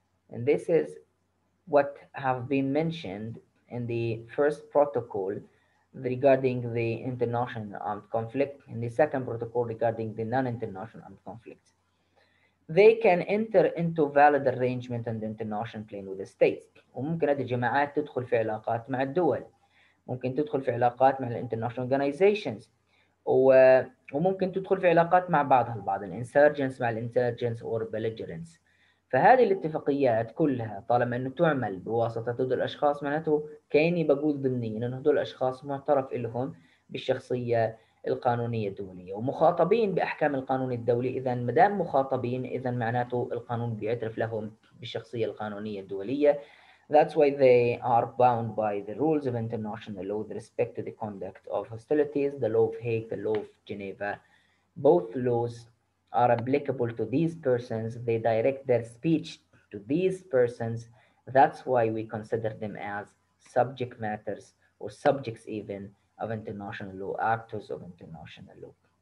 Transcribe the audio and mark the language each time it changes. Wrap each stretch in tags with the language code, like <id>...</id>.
<en>And this is what have been mentioned in the first protocol regarding the international armed conflict, in the second protocol regarding the non-international armed conflict. They can enter into valid arrangement on the international plane with the states.</en> <ar>وممكن هذه الجماعات تدخل في علاقات مع الدول. ممكن تدخل في علاقات مع</ar> <en>the international organizations.</en> <ar>وممكن تدخل في علاقات مع بعضها البعض.</ar> <en>The insurgents مع the insurgents or belligerents.</en> <ar>فهذه الاتفاقيات كلها طالما انه تعمل بواسطة هدول الاشخاص معناته كاني بقول ضمنيا انه هدول الاشخاص معترف لهم بالشخصية القانونية الدولية ومخاطبين باحكام القانون الدولي. اذا ما دام مخاطبين اذا معناته القانون بيعترف لهم بالشخصية القانونية الدولية.</ar> <en>That's why they are bound by the rules of international law with respect to the conduct of hostilities, the law of Hague, the law of Geneva. Both laws are applicable to these persons. They direct their speech to these persons. That's why we consider them as subject matters or subjects even of international law, actors of international law.</en>